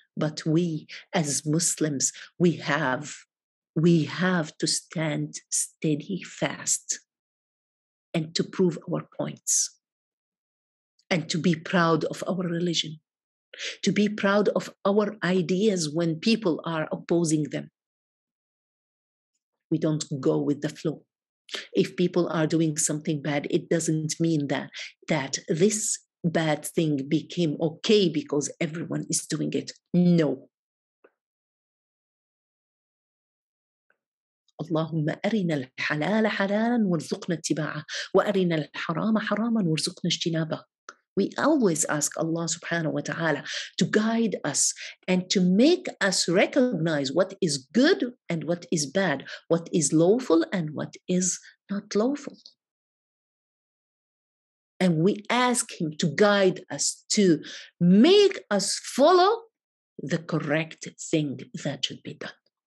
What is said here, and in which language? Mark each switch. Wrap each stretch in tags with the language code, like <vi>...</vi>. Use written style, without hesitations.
<en>But we, as Muslims, we have to stand steady fast and to prove our points and to be proud of our religion, to be proud of our ideas when people are opposing them. We don't go with the flow. If people are doing something bad, it doesn't mean that this bad thing became okay because everyone is doing it. No.</en> <ar>اللهم أرنا الحلال حلالا وارزقنا اتباعه وأرنا الحرام حراما وارزقنا اجتنابه.</ar> <en>We always ask Allah subhanahu wa ta'ala to guide us and to make us recognize what is good and what is bad, what is lawful and what is not lawful. And we ask Him to guide us, to make us follow the correct thing that should be done.</en>